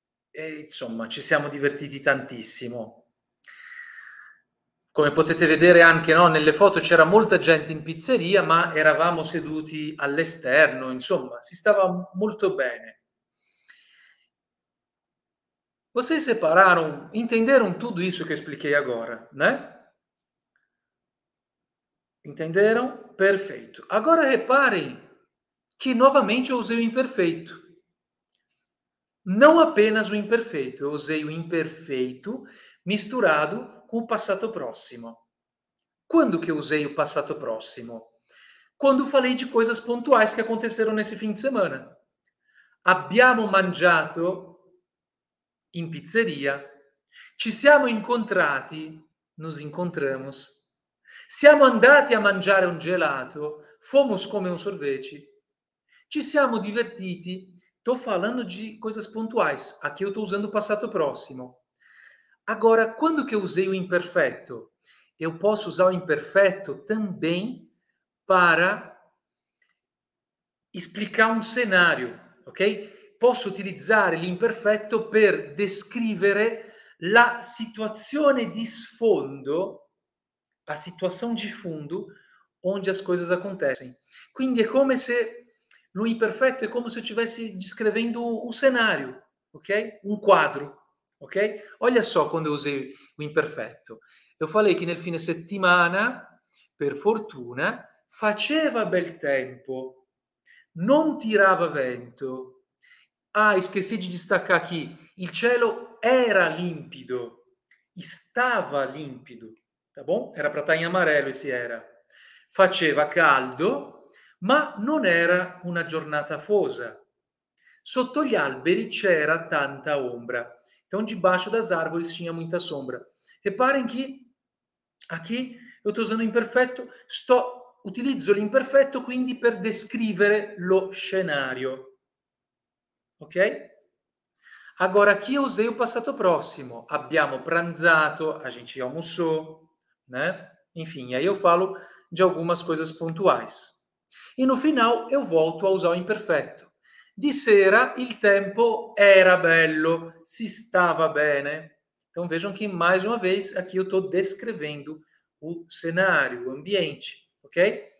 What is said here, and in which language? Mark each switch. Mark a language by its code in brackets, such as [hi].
[it] E insomma, ci siamo divertiti tantissimo. Come potete vedere anche, no, nelle foto c'era molta gente in pizzeria, ma eravamo seduti all'esterno, insomma, si stava molto bene. [pt] Vocês separaram, entenderam tudo isso que eu expliquei agora, né? Entenderam? Perfeito. Agora reparem que novamente eu usei o imperfeito. Não apenas o imperfeito, eu usei o imperfeito misturado com o passado próximo. Quando que eu usei o passado próximo? Quando falei de coisas pontuais que aconteceram nesse fim de semana. [it] Abbiamo mangiato in pizzeria, ci siamo incontrati, [pt] nos encontramos, [it] siamo andati a mangiare un gelato, [pt] fomos come un sorveci, [it] ci siamo divertiti, [pt] tô falando de coisas pontuais, aqui eu tô usando o passato próximo. Agora, quando que eu usei o imperfeito? Eu posso usar o imperfeito também para explicar um cenário, ok? [it] Posso utilizzare l'imperfetto per descrivere la situazione di sfondo, la situazione di fondo, [pt] onde as coisas acontecem. [it] Quindi è come se no imperfetto è come se stessi descrivendo un scenario, ok? Un quadro, [pt] ok? Olha só quando eu usei l'imperfetto. Eu falei [it] che nel fine settimana, per fortuna, faceva bel tempo, non tirava vento. [pt] Ah, esqueci de destacar aqui, [it] il cielo era limpido, stava limpido, [pt] tá bom? Era para estar em amarelo esse era. [it] Faceva caldo, ma non era una giornata afosa. Sotto gli alberi c'era tanta ombra. [pt] Então, debaixo das árvores tinha muita sombra. Reparem que aqui eu estou usando imperfeito, [it] utilizzo l'imperfetto quindi per descrivere lo scenario. [pt] Ok? Agora aqui eu usei o passato próximo. [it] Abbiamo pranzato, [pt] a gente almoçou, né? Enfim, aí eu falo de algumas coisas pontuais. E no final eu volto a usar o imperfeito. [it] Di sera il tempo era bello, si stava bene. [pt] Então vejam que mais uma vez aqui eu estou descrevendo o cenário, o ambiente, ok?